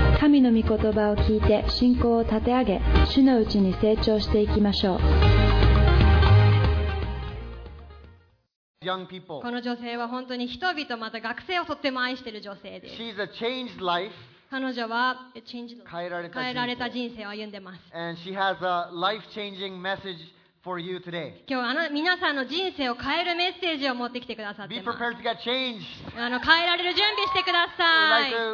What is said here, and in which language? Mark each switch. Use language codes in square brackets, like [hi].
[ja] 神の御言葉を聞いて信仰を立て上げ、主のうちに成長していきましょう。 [en] Young people. [ja] この女性は本当に人々、また学生をとっても愛している女性です。 [en] She's a changed life. [ja] 彼女は変えられた人生を歩んでます。 [en] And she has a life-changing message for you today. [ja] 今日、皆さんの人生を変えるメッセージを持ってきてくださってます。 [en] Be prepared to get changed. [ja] 変えられる準備してください。